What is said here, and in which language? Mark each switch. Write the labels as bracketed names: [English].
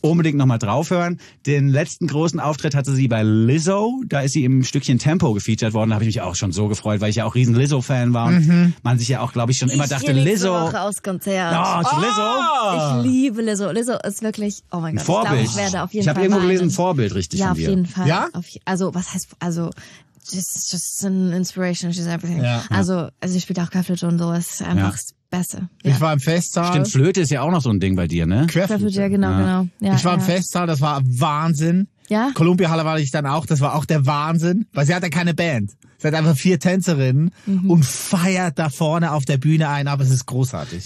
[German] Unbedingt nochmal draufhören. Den letzten großen Auftritt hatte sie bei Lizzo, da ist sie im Stückchen Tempo gefeatured worden, da habe ich mich auch schon so gefreut, weil ich ja auch riesen Lizzo-Fan war und mhm. man sich ja auch, glaube ich, schon immer ich dachte, Lizzo. Ich liebe aus Konzert. Oh, oh! Lizzo. Ich liebe Lizzo. Lizzo ist wirklich, oh mein Gott. Vorbild. Ich werde auf jeden ich habe irgendwo gelesen, Vorbild, richtig, ja, von dir. Ja, auf jeden Fall. Ja? Also, was heißt, also, [English] just an inspiration, she's everything. [German] Ja. Also, sie spielt auch Querflöte und so, ist einfach das Beste. Ja. Ich war im Festsaal. Stimmt, Flöte ist ja auch noch so ein Ding bei dir, ne? Querflöte, ja, genau, ja. Genau. Ja, ich war im Festsaal, das war Wahnsinn. Ja? Columbia Halle war ich dann auch, das war auch der Wahnsinn, weil sie hat ja keine Band. Sie hat einfach vier Tänzerinnen und feiert da vorne auf der Bühne ein, aber es ist großartig.